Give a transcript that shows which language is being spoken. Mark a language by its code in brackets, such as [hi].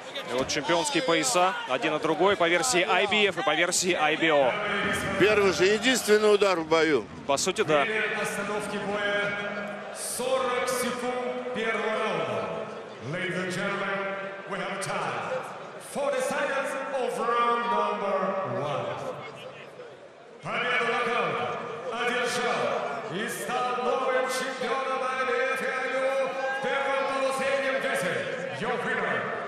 [ru] И вот чемпионские пояса, один и другой, по версии IBF и по версии IBO. Первый же, единственный удар в бою. По сути, да. Время остановки боя 40 секунд первого раунда. [en] Ladies and gentlemen, we have time. 40 seconds of round number one. [ru] Победа локал. Один шаг. И стал новым чемпионом IBF и IBO. Первым полусреднем весе. [en] Your winner.